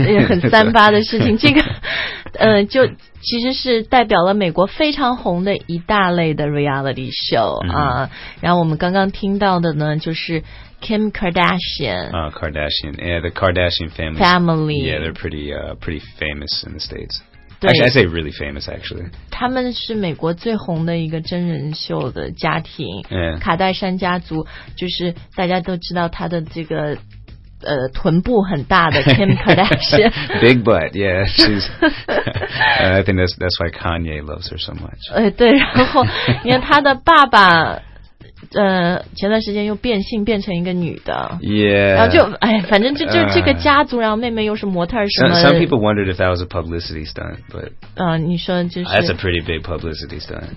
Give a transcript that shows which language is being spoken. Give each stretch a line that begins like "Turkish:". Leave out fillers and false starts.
Chinese: 很三八的事情，这个，就其实是代表了美国非常红的一大类的 reality show 啊。然后我们刚刚听到的呢，就是。
English: Kim Kardashian. Kardashian. Yeah, the Kardashian family. Family. Yeah, they're pretty famous in the States. Actually, I say really famous, actually.
Chinese: 他们是美国最红的一个真人秀的家庭。
English: Yeah.
Chinese: 卡戴珊家族就是大家都知道他的这个臀部很大的 Kim Kardashian.
English: Big butt, yeah. She's, I think that's why Kanye loves her so much.
Chinese: 对，然后你看他的爸爸前段时间又变性变成一个女的
English: yeah
Chinese: 然后就反正就这个家族然后妹妹又是模特什么
English: some people wondered if that was a publicity stunt but
Chinese: 你说就是
English: that's a pretty big publicity stunt